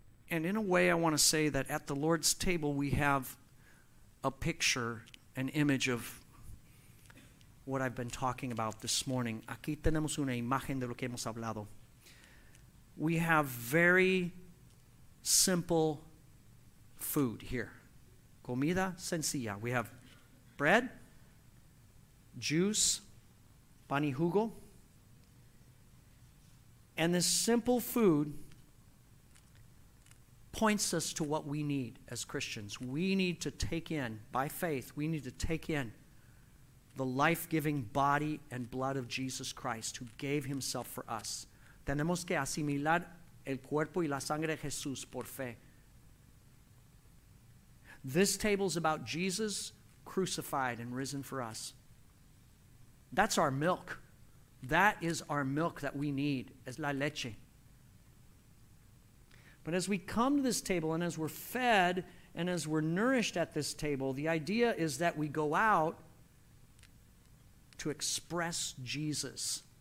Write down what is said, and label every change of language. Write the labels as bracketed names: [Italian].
[English] And in a way, I want to say that at the Lord's table, we have a picture, an image of what I've been talking about this morning. [Spanish] Aquí tenemos una imagen de lo que hemos hablado. [English] We have very simple food here. [Spanish] Comida sencilla. [English] We have bread, juice, [Spanish] pan y jugo. [English] And this simple food points us to what we need as Christians. We need to take in, by faith, we need to take in the life-giving body and blood of Jesus Christ who gave himself for us. [Spanish] Tenemos que asimilar el cuerpo y la sangre de Jesús por fe. [English] This table is about Jesus crucified and risen for us. That's our milk. That is our milk that we need. [Spanish] Es la leche. [English] But as we come to this table and as we're fed and as we're nourished at this table, the idea is that we go out to express Jesus.